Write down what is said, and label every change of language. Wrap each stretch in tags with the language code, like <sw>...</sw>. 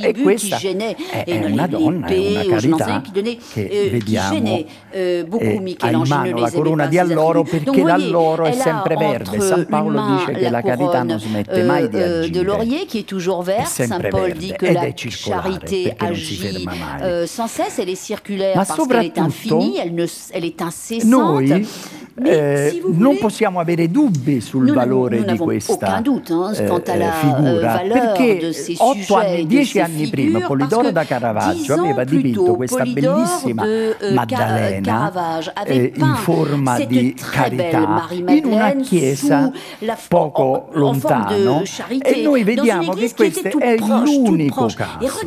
<it>E questa è una donna, è una carità che vediamo in mano la corona di alloro, perché l'alloro è sempre verde. San Paolo dice che la carità non smette mai di agire.</it> <fr>De laurier qui est toujours vert. Saint Paul dit que la charité agit sans cesse, elle est circulaire parce qu'elle est infinie, elle est incessante.</fr> <it>Noi, non possiamo avere dubbi sul valore di questa figura, perché 8 anni, 10 anni prima Polidoro da Caravaggio aveva dipinto questa bellissima Maddalena in forma di carità in una chiesa poco lontano, e noi vediamo che questo è l'unico caso</it>